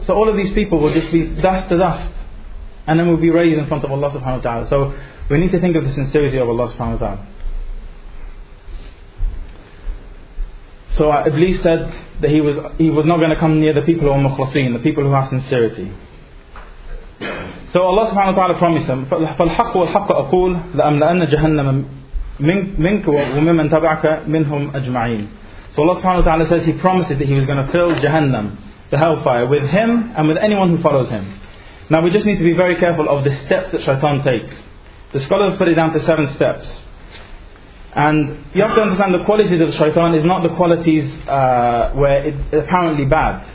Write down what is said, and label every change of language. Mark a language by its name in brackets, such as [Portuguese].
[English] So all of these people will just be dust to dust, and then we'll be raised in front of Allah subhanahu wa ta'ala. So we need to think of the sincerity of Allah subhanahu wa ta'ala. So Iblis said that he was not going to come near the people who are mukhlaseen, the people who have sincerity. So Allah subhanahu wa ta'ala promised him, [Arabic] فَالْحَقُّ وَالْحَقُّ أَقُولُ لَأَمْلَأَنَّ جَهَنَّمَ مِنْكَ وَمِمَّنْ تَبَعَكَ مِنْهُمْ أَجْمَعِينَ. [English] So Allah subhanahu wa ta'ala says He promises that He was going to fill Jahannam, the hellfire, with him and with anyone who follows him. Now we just need to be very careful of the steps that shaitan takes. The scholars put it down to 7 steps. And you have to understand, the qualities of the shaitan is not the qualities where it's apparently bad.